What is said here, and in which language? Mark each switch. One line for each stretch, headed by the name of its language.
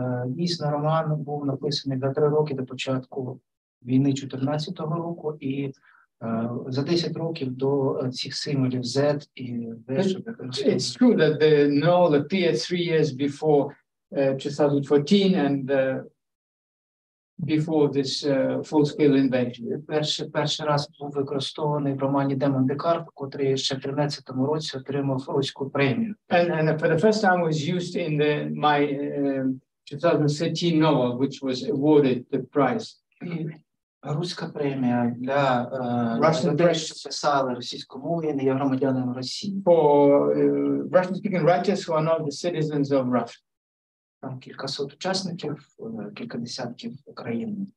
Ukrainian: Дійсно, роман був написаний за 3 роки до початку війни 14-го року, і за 10 років до цих символів Z і V.
English: It's true that the novel appeared 3 years before 2014 and before this full-scale invasion.
Ukrainian: Перший раз був використаний в романі «Демон Декарт», котрий ще в 13-му році отримав російську премію.
English: And for the first time was used in the, my 2013 novel, which was awarded the prize.
Ukrainian: Руська премія для людей, що писали російською мовою, не є громадянами Росії.
English: For Russian-speaking writers who are not the citizens of Russia.
Ukrainian: Там кількасот учасників, кілька десятків країн.